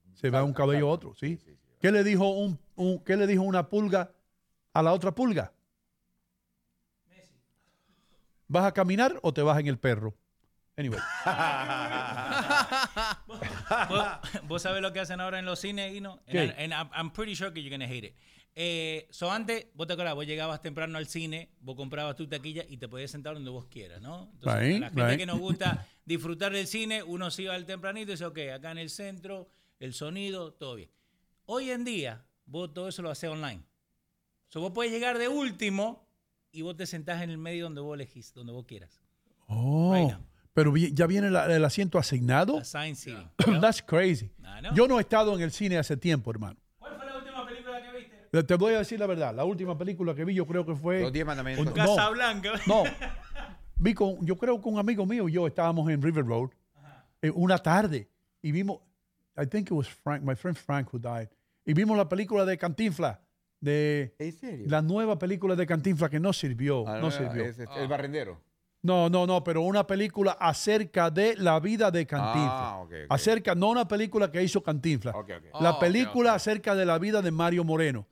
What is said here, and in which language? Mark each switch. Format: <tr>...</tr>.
<es>Se va un cabello a otro, ¿sí? Sí, sí, sí. ¿Qué le dijo ¿qué le dijo una pulga a la otra pulga? Messi. ¿Vas a caminar o te vas en el perro? Anyway. ¿Vos sabés lo que hacen ahora en los cines, Ino?</es> <en>I'm pretty sure</en> <es>que</es> <en>you're gonna hate it.</en> <es>So antes, vos te acordás, vos llegabas temprano al cine, vos comprabas tu taquilla y te podías sentar donde vos quieras, ¿no? Entonces, right, a la gente</es> <en>right.</en> <es>que nos gusta disfrutar del cine, uno se iba al tempranito y dice, ok, acá en el centro, el sonido, todo bien. Hoy en día, vos todo eso lo hacés online. So vos podés llegar de último y vos te sentás en el medio donde vos elegís, donde vos quieras. Oh.</es> <en>Right now.</en> <es>Pero ya viene el asiento asignado.</es> <en>Assigned City. That's crazy. No.</en> <es>Yo no he estado en el cine hace tiempo, hermano. ¿Cuál fue la última película que viste? Te voy a decir la verdad. La última película que vi yo creo que fue... Los Diez Mandamientos. No, Casablanca. No. Vi con, yo creo que un amigo mío y yo estábamos en River Road una tarde y vimos...</es> <en>I think it was Frank, my friend Frank who died.</en> <es>Y vimos la película de Cantinflas. De, ¿en serio? La nueva película de Cantinflas que no sirvió. No sirvió. El Barrendero. No, pero una película acerca de la vida de Cantinflas. Ah, okay. Acerca, no una película que hizo Cantinflas. Okay. La película acerca de la vida de Mario Moreno.</es>